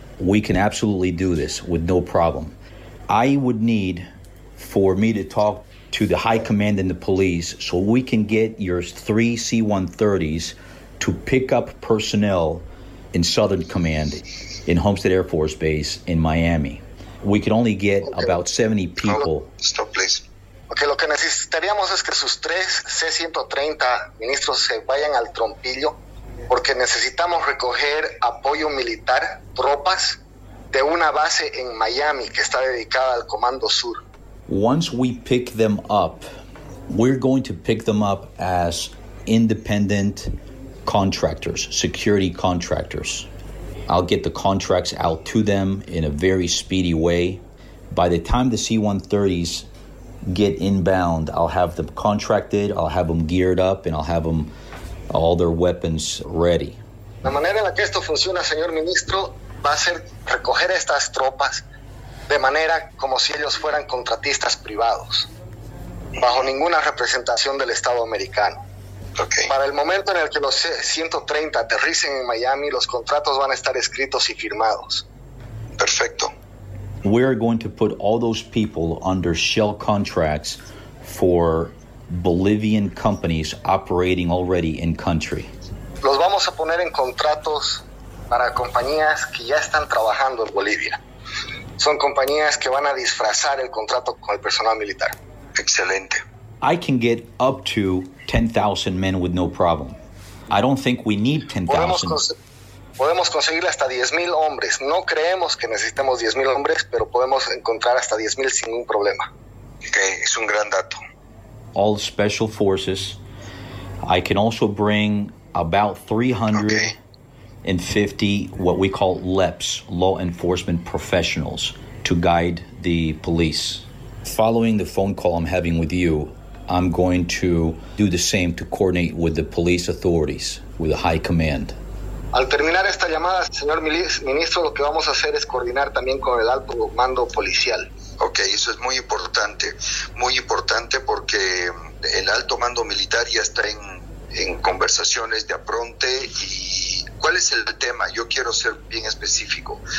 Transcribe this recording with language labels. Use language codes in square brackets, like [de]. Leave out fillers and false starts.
[en] We can absolutely do this with no problem. I would need for me to talk to the high command and the police so we can get your three C-130s to pick up personnel in Southern Command in Homestead Air Force Base in Miami. We could only get okay. About 70 people. Stop, please. [es] Okay, lo que necesitaríamos es que sus tres C-130 ministros se vayan al trompillo porque necesitamos recoger apoyo militar, tropas, de una base en Miami que está dedicada al Comando Sur. [en] Once we pick them up, we're going to pick them up as independent contractors, security contractors. I'll get the contracts out to them in a very speedy way. By the time the C-130s get inbound, I'll have them contracted, I'll have them geared up, and I'll have them all their weapons ready. [es] La manera en la que esto funciona, señor ministro, va a ser recoger estas tropas de manera como si ellos fueran contratistas privados, bajo ninguna representación del Estado americano. Okay. Para el momento en el que los 130 aterricen en Miami, los contratos van a estar escritos y firmados. Perfecto. [en] We're going to put all those people under shell contracts for Bolivian companies operating already in country. [es] Los vamos a poner en contratos para compañías que ya están trabajando en Bolivia. Son compañías que van a disfrazar el contrato con el personal militar. Excelente. [en] I can get up to 10,000 men with no problem. I don't think we need 10,000. [es] Podemos conseguir hasta 10,000 hombres. No creemos que necesitemos 10,000 hombres, pero podemos encontrar hasta 10,000 sin ningún problema. Okay, es un gran dato. [en] All special forces. I can also bring about 350 what we call LEPs, law enforcement professionals, to guide the police. Following the phone call I'm having with you, I'm going to do the same to coordinate with the police authorities, with the high command. [es] Al terminar esta llamada, señor ministro, lo que vamos a hacer es coordinar también con el alto mando policial. Okay, eso es muy importante porque el alto mando militar ya está en conversaciones de apronte. ¿Y cuál es el tema? Yo quiero ser bien específico.